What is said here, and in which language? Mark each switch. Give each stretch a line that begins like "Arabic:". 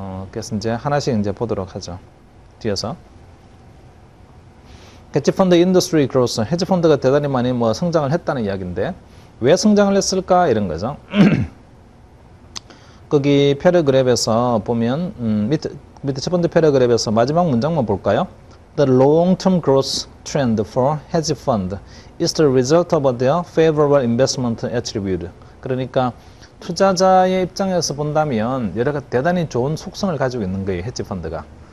Korean: 그래서 이제 하나씩 이제 보도록 하죠. 뒤에서 헤지 펀드 인더스트리 그로스, 헤지 펀드가 대단히 많이 뭐 성장을 했다는 이야기인데 왜 성장을 했을까 이런 거죠. 거기 패러그랩에서 보면 밑에 첫 번째 패러그랩에서 마지막 문장만 볼까요?
English: The long-term growth trend for hedge fund is the result of their favorable investment attribute.
Korean: 그러니까 투자자의 입장에서 본다면 여러가지 대단히 좋은 속성을 가지고 있는 거예요, 헤지 펀드가.